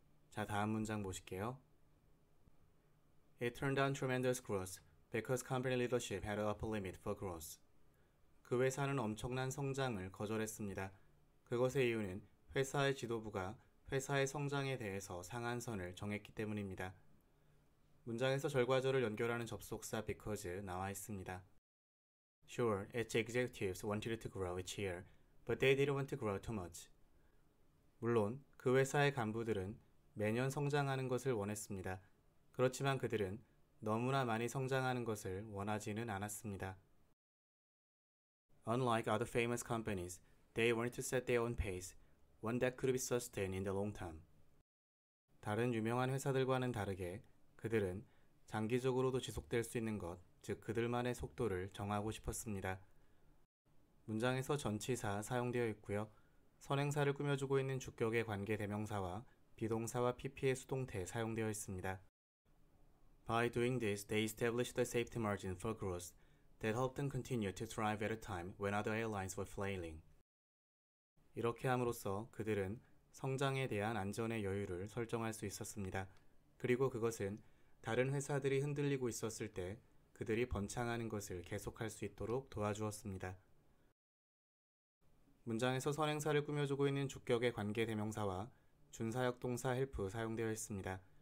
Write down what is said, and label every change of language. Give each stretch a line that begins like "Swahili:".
Korean: 자, 다음 문장 보실게요.
English: It turned down tremendous growth because company leadership had an upper limit for growth.
Korean: 그 회사는 엄청난 성장을 거절했습니다. 그것의 이유는 회사의 지도부가 회사의 성장에 대해서 상한선을 정했기 때문입니다. 문장에서 절과절을 연결하는 접속사 because 나와 있습니다.
English: Sure, its executives wanted it to grow each year, but they didn't want to grow too much.
Korean: 물론 그 회사의 간부들은 매년 성장하는 것을 원했습니다. 그렇지만 그들은 너무나 많이 성장하는 것을 원하지는 않았습니다.
English: Unlike other famous companies, they wanted to set their own pace, one that could be sustained in the long term.
Korean: 다른 유명한 회사들과는 다르게 그들은 장기적으로도 지속될 수 있는 것, 즉 그들만의 속도를 정하고 싶었습니다. 문장에서 전치사 사용되어 있고요. 선행사를 꾸며주고 있는 주격의 관계 대명사와 비동사와 PP의 수동태 사용되어 있습니다.
English: By doing this, they established a safety margin for growth that helped them continue to thrive at a time when other airlines were flailing.
Korean: 이렇게 함으로써 그들은 성장에 대한 안전의 여유를 설정할 수 있었습니다. 그리고 그것은 다른 회사들이 흔들리고 있었을 때 그들이 번창하는 것을 계속할 수 있도록 도와주었습니다. 문장에서 선행사를 꾸며주고 있는 주격의 관계 대명사와 준사역 동사 help 사용되어 있습니다.